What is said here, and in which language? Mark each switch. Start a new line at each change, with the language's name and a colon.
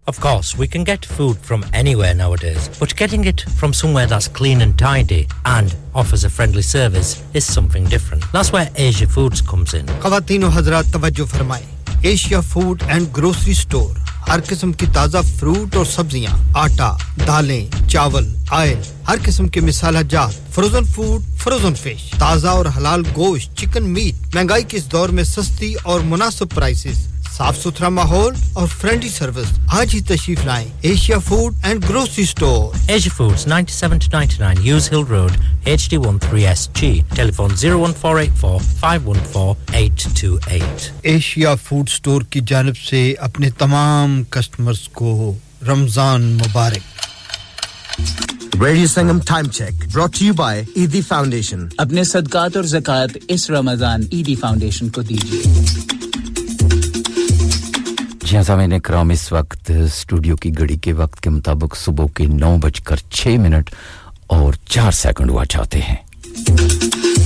English: Of course, we can get food from anywhere nowadays, but getting it from somewhere that's clean and tidy and offers a friendly service is something different. That's where Asia Foods comes in.
Urdu: Khawateen o Hazrat, tawajjuh farmaye. Asia Food and Grocery Store. ہر قسم کی تازہ fruit اور سبزیاں آٹا دالیں چاول oil ہر قسم کے مصالحہ جات فروزن فوڈ فروزن فش تازہ اور حلال گوشت چکن میٹ مہنگائی کے اس دور میں سستی اور مناسب پرائسز صاف ستھرا ماحول اور فرینڈلی سروس آج ہی تشریف لائیں Asia food and grocery store Asia foods 97-99 use ہل روڈ HD13SG ٹیلی فون 01484-514-828 ایشیا فوڈ سٹور کی جانب سے اپنے تمام کسٹمرز کو رمضان مبارک
English: Radio Sangam Time Check brought to you by Eidi Foundation
Urdu: اپنے صدقات اور زکاة اس رمضان Eidi Foundation کو دیجئے جی ہاں سامعین کرام اس وقت سٹوڈیو کی گھڑی کے وقت کے مطابق صبح کے 9:06:04 ہوا چاہتے ہیں